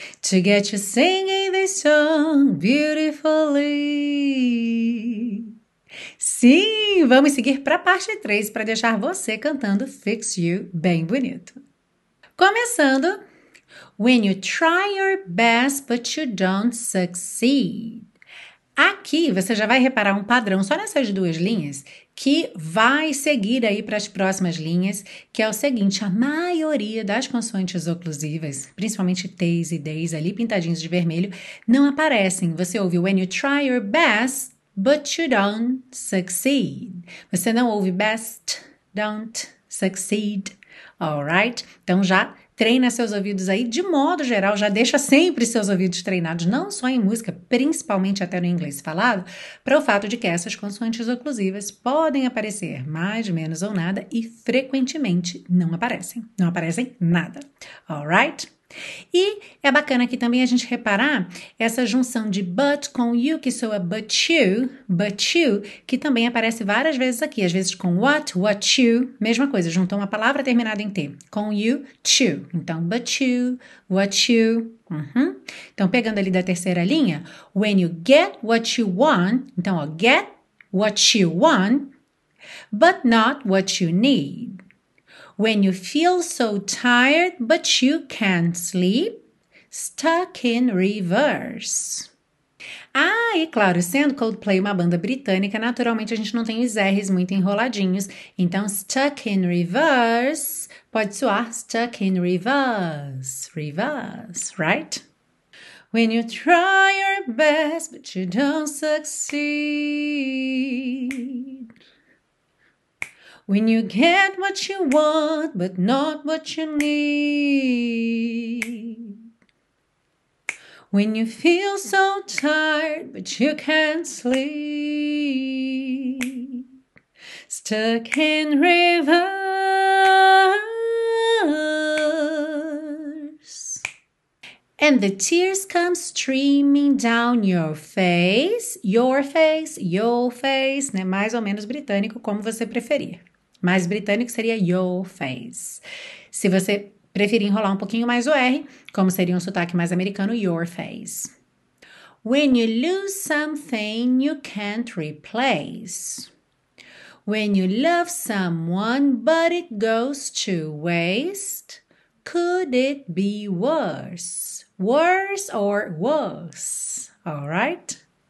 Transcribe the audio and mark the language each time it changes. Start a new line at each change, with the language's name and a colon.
English: To get you singing this song beautifully.
Portuguese: Sim, vamos seguir para a parte 3 para deixar você cantando Fix You bem bonito. Começando.
English: When you try your best but you don't succeed.
Portuguese: Aqui você já vai reparar um padrão só nessas duas linhas que vai seguir aí para as próximas linhas, que é o seguinte: a maioria das consoantes oclusivas, principalmente T's e D's ali pintadinhos de vermelho, não aparecem. Você ouve
English: when you try your best, but you don't succeed.
Portuguese: Você não ouve
English: best, don't succeed. Alright?
Portuguese: Então já treina seus ouvidos aí, de modo geral, já deixa sempre seus ouvidos treinados, não só em música, principalmente até no inglês falado, para o fato de que essas consoantes oclusivas podem aparecer mais, menos ou nada e frequentemente não aparecem. Não aparecem nada.
English: Alright?
Portuguese: E é bacana aqui também a gente reparar essa junção de but com you, que soa
English: but you,
Portuguese: que também aparece várias vezes aqui, às vezes com
English: what you,
Portuguese: mesma coisa, juntou uma palavra terminada em T, com you, to, então
English: but you, what you,
Portuguese: uhum. Então pegando ali da terceira linha,
English: when you get what you want,
Portuguese: então ó,
English: get what you want, but not what you need. When you feel so tired, but you can't sleep, stuck in reverse.
Portuguese: Ah, e claro, sendo Coldplay uma banda britânica, naturalmente a gente não tem os R's muito enroladinhos.
English: Então, stuck in reverse,
Portuguese: pode soar
English: stuck in reverse, right? When you try your best, but you don't succeed. When you get what you want, but not what you need. When you feel so tired, but you can't sleep. Stuck in reverse. And the tears come streaming down your face. Your face, né?
Portuguese: Mais ou menos britânico, como você preferir. Mais britânico seria
English: your face.
Portuguese: Se você preferir enrolar um pouquinho mais o R, como seria um sotaque mais americano,
English: your face. When you lose something you can't replace. When you love someone but it goes to waste. Could it be worse? Worse or worse? All right?